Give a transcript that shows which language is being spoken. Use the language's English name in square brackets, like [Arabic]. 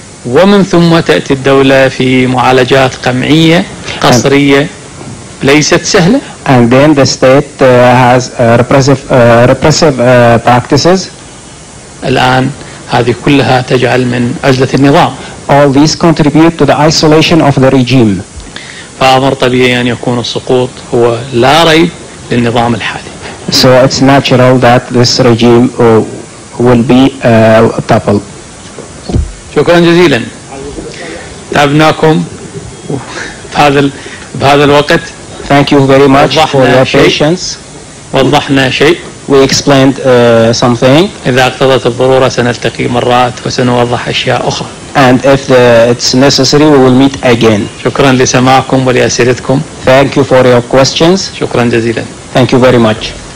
[Arabic] ومن ثم تأتي الدولة في معالجات قمعية قصرية. ليست سهلة. [English] And then the state has repressive practices. [Arabic] الآن هذه كلها تجعل من عزلة النظام. [English] All these contribute to the isolation of the regime. [Arabic] فأمر طبيعي أن يكون السقوط هو لا ريب للنظام الحالي. [English] So it's natural that this regime will be toppled. [Arabic] شكرا جزيلا. تعبناكم بهذا الوقت. [English] Thank you very much for your patience. [Arabic] وضحنا شيء. [English] We explained something. [Arabic] إذا اقتضت الضرورة سنلتقي مرات وسنوضح أشياء أخرى. [English] And if it's necessary, we will meet again. [Arabic] شكرا لسماعكم ولأسئلتكم. [English] Thank you for your questions. [Arabic] شكرا جزيلا. [English] Thank you very much.